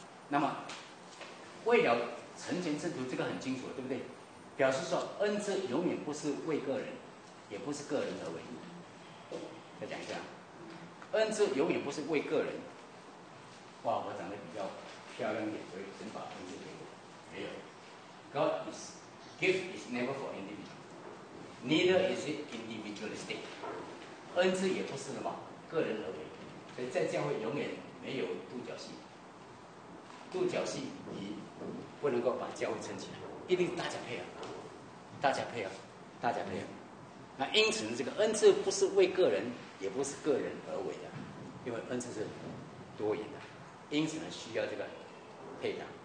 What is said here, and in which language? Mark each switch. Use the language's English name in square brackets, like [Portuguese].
[Chinese] 那么，为了成全圣徒，这个很清楚，对不对？表示说，恩赐永远不是为个人，也不是个人而为。再讲一下，恩赐永远不是为个人。哇，我长得比较漂亮一点，所以神把恩赐给我。没有 [English] ，God is gift is never for individual, neither is it individualistic. [Chinese] 恩赐也不是什么个人而为，所以在教会永远没有独角戏。独角戏你不能够把教会撑起来，一定是大家配合，大家配合，大家配合。那因此呢，这个恩赐不是为个人，也不是个人而为的，因为恩赐是多元的，因此呢需要这个配搭。